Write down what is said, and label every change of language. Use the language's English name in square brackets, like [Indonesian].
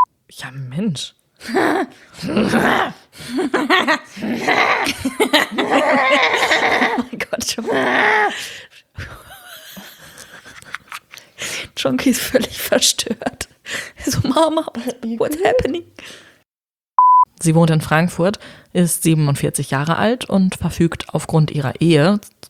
[German] Ja, Mensch. Oh mein Gott, Chonky ist völlig verstört. [English] So, Mama, what's happening? [German] Sie wohnt in Frankfurt, ist 47 Jahre alt und verfügt aufgrund ihrer Ehe.